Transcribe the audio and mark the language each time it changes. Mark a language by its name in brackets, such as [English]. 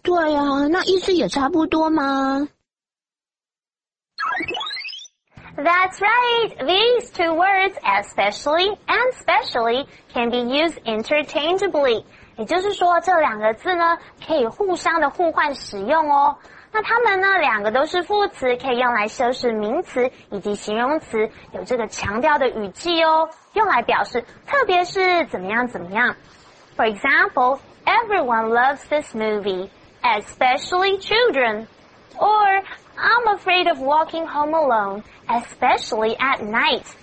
[Chinese] 对啊，那意思也差不多吗？ [English] That's right. These two words, especially and specially, can be used interchangeably. [Chinese] 也就是说，这两个字呢，可以互相的互换使用哦。那它们呢，两个都是副词，可以用来修饰名词以及形容词，有这个强调的语气哦，用来表示特别是怎么样怎么样。 [English] For example, everyone loves this movie, especially children. Or, I'm afraid of walking home alone, especially at night.